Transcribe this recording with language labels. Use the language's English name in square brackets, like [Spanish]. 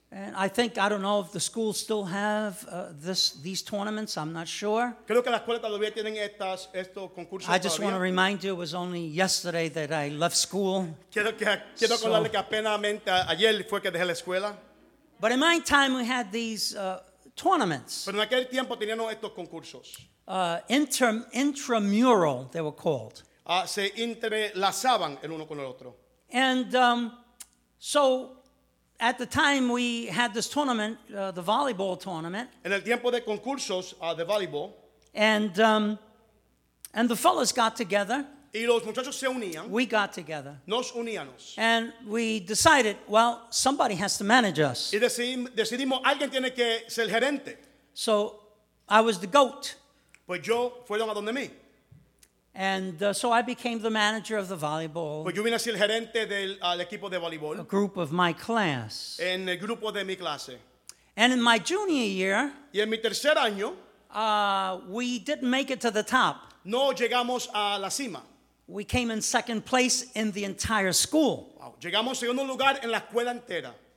[English] And I think, I don't know if the schools still have these tournaments, I'm not sure. [Spanish] Creo que las escuelas todavía tienen estas, estos concursos todavía. [English] I just want to remind you, it was only yesterday that I left school. [Spanish] Quiero acordarle que apenasmente ayer fue que dejé la escuela. [English] But in my time, we had these tournaments. [Spanish] Pero en aquel tiempo teníamos estos concursos. [English] Intramural, they were called. [Spanish] Se entrelazaban el uno con el otro. [English] And so at the time we had this tournament, the volleyball tournament. [Spanish] En el tiempo de concursos de volleyball. [English] And the fellas got together. [Spanish] Y los muchachos se unían. [English] We got together. [Spanish] Nos uníamos. [English] And we decided, well, somebody has to manage us. [Spanish] Y decidimos, alguien tiene que ser el gerente. [English] So I was the goat. [Spanish] Pues yo fueron a donde mí. [English] And so I became the manager of the volleyball. [Spanish] Pues yo vine a ser el gerente del equipo de voleibol. [English] A group of my class. [Spanish] En el grupo de mi clase. [English] And in my junior year. [Spanish] Y en mi tercer año. [English] We didn't make it to the top. [Spanish] No llegamos a la cima. [English] We came in second place in the entire school. Wow. [Spanish] Llegamos en segundo lugar en la escuela entera.